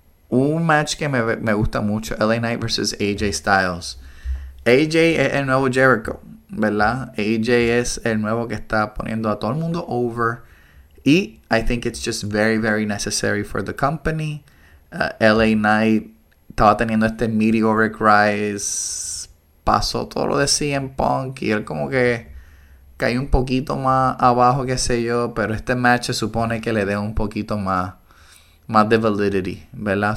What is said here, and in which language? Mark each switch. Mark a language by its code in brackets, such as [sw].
[es] Un match que me gusta mucho, LA Knight versus AJ Styles. AJ es el nuevo Jericho, ¿verdad? AJ es el nuevo que está poniendo a todo el mundo over. Y [en] I think it's just very, very necessary for the company. [es] LA Knight estaba teniendo este [en] meteoric rise. [es] Pasó todo lo de CM Punk. Y él como que cayó un poquito más abajo, qué sé yo. Pero este match se supone que le dé un poquito más de validity, ¿verdad?